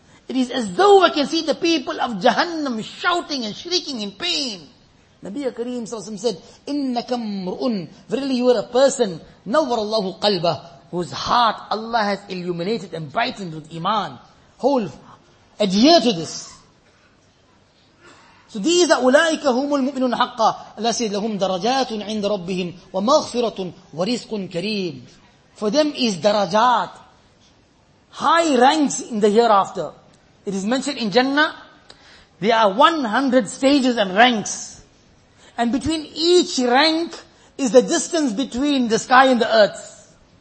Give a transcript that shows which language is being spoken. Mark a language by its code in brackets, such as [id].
[en] It is as though I can see the people of Jahannam shouting and shrieking in pain. Nabi Kareem Sallallahu said, [ar] إِنَّكَمْ رُؤُنْ. [en] Verily you are a person, [ar] نَوَّرَ اللَّهُ قَلْبَهُ, [en] whose heart Allah has illuminated and brightened with iman. Hold, adhere to this. So these are [ar] أولئك هم المؤمنون حقا. [en] Allah says, [ar] لهم درجات عند ربهم ومغفرة ورزق كريم. [en] For them is درجات, high ranks in the hereafter. It is mentioned in Jannah, there are 100 stages and ranks. And between each rank is the distance between the sky and the earth.